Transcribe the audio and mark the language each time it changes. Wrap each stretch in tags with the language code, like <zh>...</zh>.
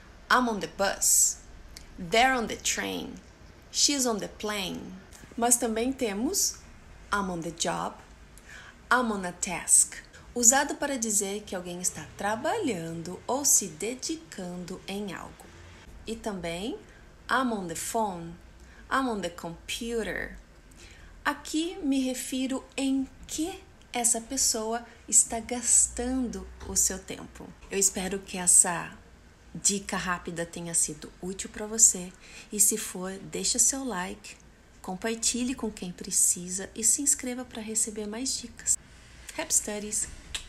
<en>I'm on the bus. They're on the train. She's on the plane.</en> <pt>Mas também temos</pt> <en>I'm on the job. I'm on a task.</en> <pt>Usado para dizer que alguém está trabalhando ou se dedicando em algo. E também,</pt> <en>I'm on the phone, I'm on the computer.</en> <pt>Aqui me refiro em que essa pessoa está gastando o seu tempo. Eu espero que essa dica rápida tenha sido útil para você. E se for, deixa seu like, compartilhe com quem precisa e se inscreva para receber mais dicas.</pt> <en>Happy Studies!</en>